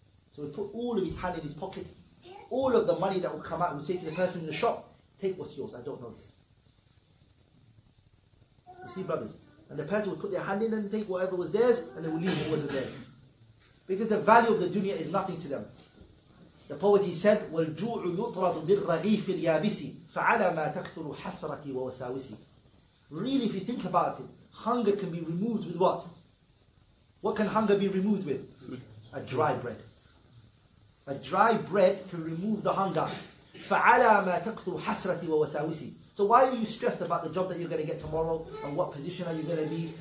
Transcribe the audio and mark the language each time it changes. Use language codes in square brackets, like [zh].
[en] So he put all of his hand in his pocket, all of the money that would come out, and would say to the person in the shop, take what's yours, I don't know this. You see, brothers? And the person would put their hand in and take whatever was theirs, and they would leave what wasn't theirs. Because the value of the dunya is nothing to them. The poet, he said, [ar] وَالْجُوعُ يُطْرَضُ بِالرَّغِيفِ الْيَابِسِ فَعَلَى مَا تَكْثُرُ حَسْرَتِي وَوَسَاوِسِي. [en] Really, if you think about it, hunger can be removed with what? What can hunger be removed with? A dry bread. A dry bread can remove the hunger. [ar] فَعَلَى مَا تَكْثُرُ حَسْرَتِي وَوَسَاوِسِي. [en] So why are you stressed about the job that you're going to get tomorrow? And what position are you going to be?